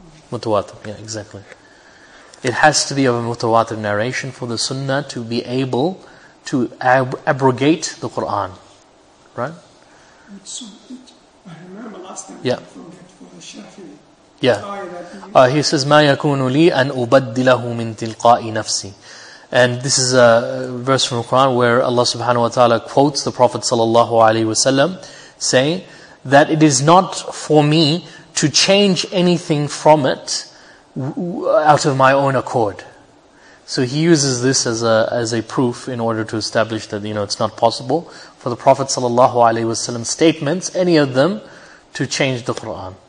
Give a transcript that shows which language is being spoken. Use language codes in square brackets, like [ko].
[en] Mutawatir. Yeah, exactly. It has to be of a mutawatir narration for the sunnah to be able to abrogate the Quran. Right? So, I remember last time for the Shafi'i. Yeah. [ar] He says, مَا يَكُونُ لِي أَنْ أُبَدِّلَهُ مِنْ تِلْقَاءِ نَفْسِي. [en] And this is a verse from the Quran where Allah subhanahu wa ta'ala quotes the Prophet sallallahu alayhi wa sallam, saying that it is not for me to change anything from it out of my own accord. So he uses this as a proof in order to establish that it's not possible for the Prophet sallallahu alaihi wasallam statements, any of them, to change the Quran.